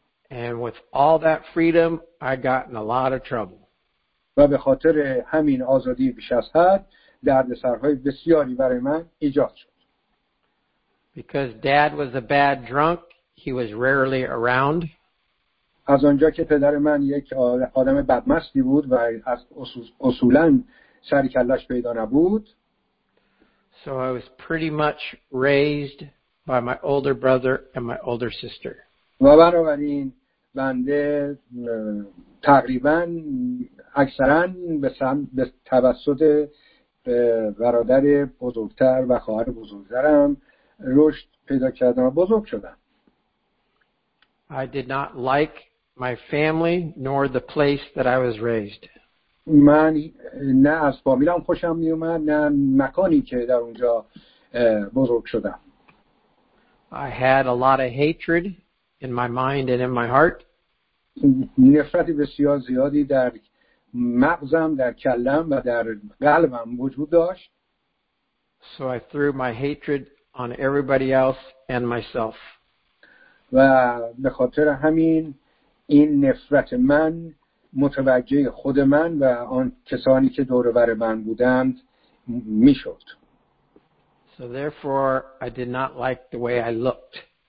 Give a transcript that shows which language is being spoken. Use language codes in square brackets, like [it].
[en] And with all that freedom, I got in a lot of trouble. [fa] و به خاطر همین آزادی بیش از حد، دردسرهای بسیاری برای من ایجاد شد. [en] Because dad was a bad drunk, he was rarely around. [fa] از آنجا که پدر من یک آدم بدمستی بود و اصولاً سر کلش پیدا نبود. [en] So I was pretty much raised by my older brother and my older sister. [fa] و بنابراین بنده تقریباً اکثراً به توسط برادر بزرگتر و خواهر بزرگترم رشد پیدا کردم و بزرگ شدم. [en] I did not like my family nor the place that I was raised. [fa] من نه از فامیلم خوشم میومد نه مکانی که در اونجا بزرگ شدم. [en] I had a lot of hatred in my mind and in my heart. [fa] نفرت بسیار زیادی در مغزم، در کلم و در قلبم وجود داشت. [en] So I threw my hatred on everybody else and myself. [fa] و به خاطر همین این نفرت من متوجه خود من و آن کسانی که دور و بر من بودند میشد. [en] So therefore I did not like the way I looked.